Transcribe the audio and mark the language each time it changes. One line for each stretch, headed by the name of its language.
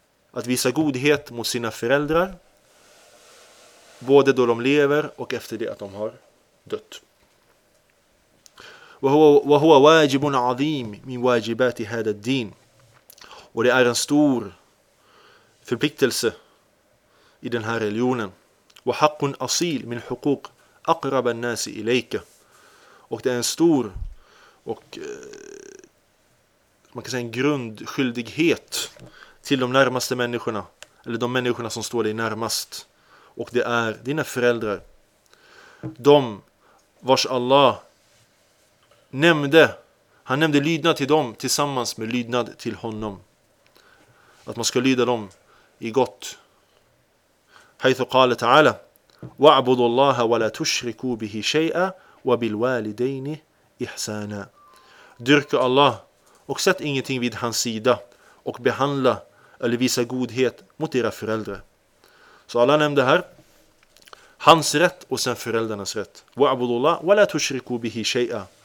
Swedish: Att visa godhet mot sina föräldrar både då de lever och efter det att de har dött.
Arabic: Wa huwa wajibun 'azim min wajibat hadha ad-din.
Swedish: Och det är en stor förpliktelse i den här religionen.
Arabic: وحق أصيل من حقوق أقرب الناس إليك.
Swedish: Och det är en stor och man kan säga en grundskyldighet till de närmaste människorna eller de människorna som står dig närmast, och det är dina föräldrar, de vars Allah nämnde, han nämnde lydnad till dem tillsammans med lydnad till honom, att man ska lyda dem i gott.
Arabic: حيث قال تعالى وَعْبُدُ اللَّهَ وَلَا تُشْرِكُوا بِهِ شَيْئًا وَبِالْوَالِدَيْنِ إِحْسَانًا.
Swedish: Dyrka Allah och sätt ingenting vid hans sida och behandla eller visa godhet mot era föräldrar. Så Allah nämnde här hans rätt och sen föräldrarnas rätt.
Arabic: وَعْبُدُ اللَّهَ وَلَا تُشْرِكُوا بِهِ شَيْئًا.